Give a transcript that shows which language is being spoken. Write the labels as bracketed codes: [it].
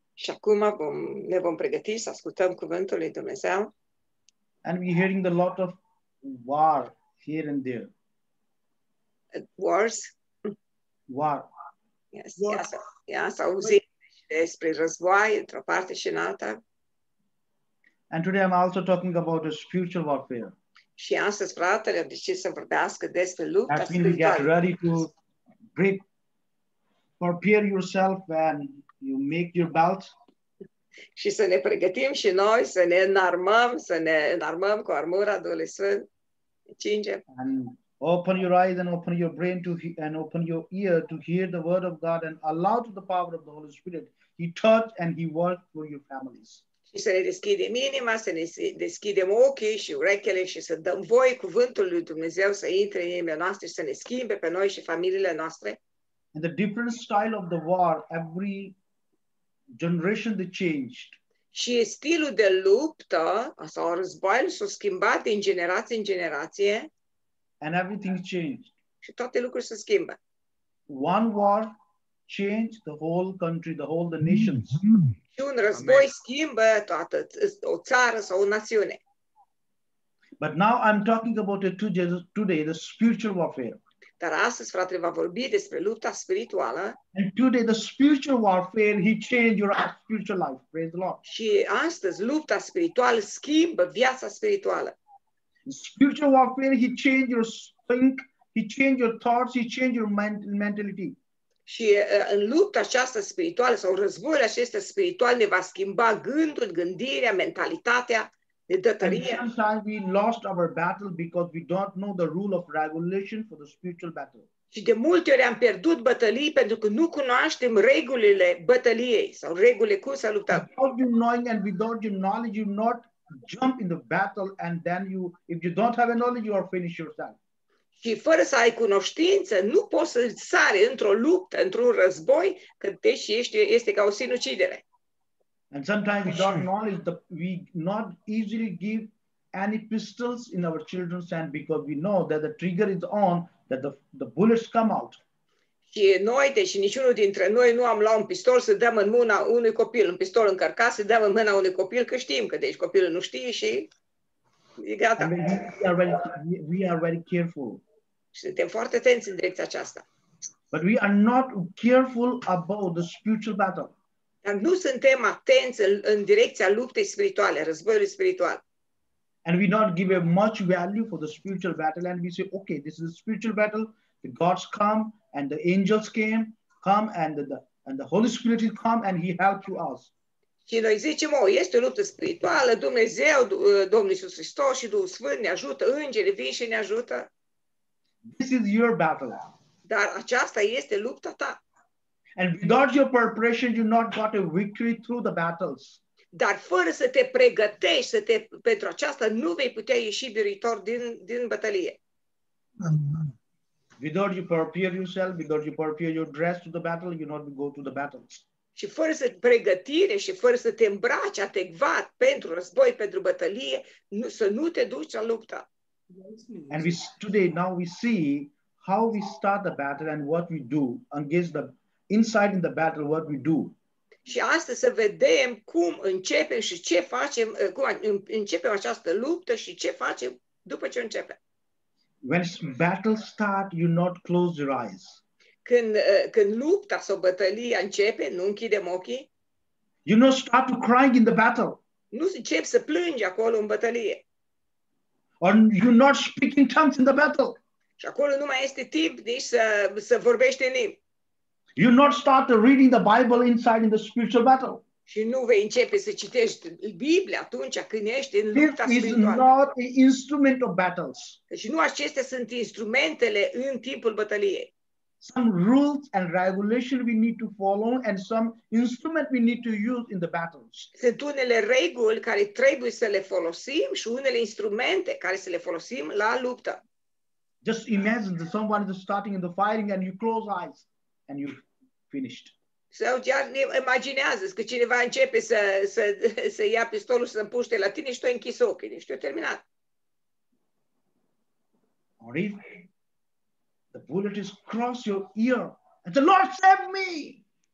[en] शकुमा बम ने बम प्रगति सा स्कुतम कुवंतो ले दमेसाउ. And we're hearing a lot of war here and there. Wars? War. Yes. Yeah, so [ro] despre război într-o parte și în alta. [en] And today I'm also talking about a spiritual warfare. [ro] Și astăzi, fratele, am decis să vorbească despre lupta spirituală. [en] That means get ready to grip, prepare yourself and you make your belt. [ro] Și să ne pregătim și noi, să ne înarmăm cu armura Duhului Sfânt. Cingem. [en] And open your eyes and open your brain to and open your ear to hear the word of God and allow to the power of the Holy Spirit. He touch and he work for your families. [ro] Și să ne deschidem inima, să ne deschidem ochii și urechele și să dăm voie cuvântul lui Dumnezeu să intre în inimile noastre și să ne schimbe pe noi și familiile noastre. [en] And the different style of the war, every generation that changed. [ro] Și stilul de luptă sau războiul s-a schimbat din generație în generație. [en] And everything changed. [ro] Și toate lucrurile se schimbă. [en] One war changed the whole country, the whole the nations. [ro] Și un război schimbă toată o țară sau o națiune. [en] But now I'm talking about it today, the spiritual warfare. [ro] Dar astăzi, fratele, va vorbi despre lupta spirituală. [en] And today, the spiritual warfare, he changed your spiritual life. Praise the Lord. [ro] Și astăzi, lupta spirituală schimbă viața spirituală. [en] The spiritual warfare, he changed your think, he changed your thoughts, he changed your mentality. [ro] Și în lupta aceasta spirituală, sau războiul acesta spiritual, ne va schimba gândul, gândirea, mentalitatea. [en] Sometimes we lost our battle because we don't know the rule of regulation for the spiritual battle. [ro] Și de multe ori am pierdut bătălii pentru că nu cunoaștem regulile bătăliei sau regulile cum să luptăm. [en] Without your knowing and without your knowledge, you not jump in the battle and then you, if you don't have a knowledge, you are finished yourself. [ro] Și fără să ai cunoștință, nu poți să sari într-o luptă, într-un război, că deși este ca o sinucidere. [en] And sometimes without knowledge, we not easily give any pistols in our children's hand because we know that the trigger is on, that the bullets come out. [ro] Și noi, deși niciunul dintre noi nu am luat un pistol să dăm în mâna unui copil, un pistol încărcat să dăm în mâna unui copil, că știm că deci copilul nu știe și e gata. [en] We are very careful. [ro] Și suntem foarte atenți în direcția aceasta. [en] But we are not careful about the spiritual battle. [ro] Dar nu suntem atenți în direcția luptei spirituale, războiului spiritual. [en] And we not give a much value for the spiritual battle and we say, okay, this is a spiritual battle, the gods come and the angels come and the Holy Spirit will come and he helps you us. [ro] Și noi zicem, oh, este o luptă spirituală, Dumnezeu, Domnul Iisus Hristos și Duhul Sfânt ne ajută, îngeri vin și ne ajută. [en] This is your battle. [ro] Dar aceasta este lupta ta. [en] And without your preparation, you not got a victory through the battles. [ro] Dar fără să te pregătești să te, pentru aceasta, nu vei putea ieși biruitor din, din bătălie. [en] Without you prepare yourself, without you prepare your dress to the battle, you not go to the battles. [ro] Și fără să pregătire și fără să te îmbraci adecvat pentru război, pentru bătălie, nu, să nu te duci la luptă. [en] And we, today, now we see how we start the battle and what we do against the inside in the battle, what we do. [ro] Și astăzi să vedem cum începem și ce facem, cum începem această luptă și ce facem după ce începem. [en] When battle start, you not close your eyes. [ro] Când lupta sau bătălia începe, nu închidem ochii. [en] You not start to cry in the battle. [ro] Nu începi să plângi acolo în bătălie. [en] Or you not speak in tongues in the battle. [ro] Și acolo nu mai este timp nici să vorbești în limbi. [en] You not start to reading the Bible inside in the spiritual battle. [ro] Și nu vei începe să citești Biblia atunci când ești în lupta spirituală. [en] This is not the instrument of battles. [ro] Deci nu acestea sunt instrumentele în timpul bătăliei. [en] Some rules and regulations we need to follow and some instrument we need to use in the battles. [ro] Sunt unele reguli care trebuie să le folosim și unele instrumente care să le folosim la luptă. [en] Just imagine that someone is starting in the firing and you close eyes and you finished. [ro] Sau chiar imaginează-ți că cineva începe să ia pistolul și să împuște la tine și tu ai închis ochii, și tu ai terminat. [en] Or if the bullet is cross your ear and the Lord save me!